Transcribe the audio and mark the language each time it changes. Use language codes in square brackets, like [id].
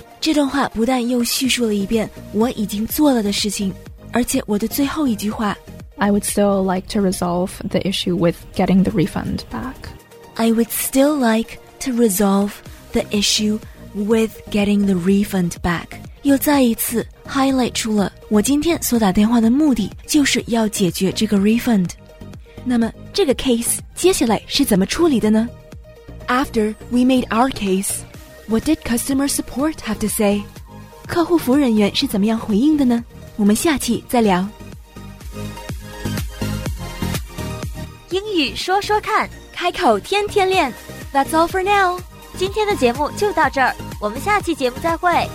[zh] 这段话不但又叙述了一遍我已经做了的事情，而且我的最后一句话 [en] I would still like to resolve the issue with getting the refund back. I would still like to resolve the issue with getting the refund back. [zh] 又再一次 highlight 出了我今天所打电话的目的就是要解决这个 refund. 那么这个 case 接下来是怎么处理的呢？ [en] After we made our case,What did customer support have to say? [zh] 客户服务人员是怎么样回应的呢？我们下期再聊。英语说说看，开口天天练。 [en] That's all for now. [zh] 今天的节目就到这儿，我们下期节目再会。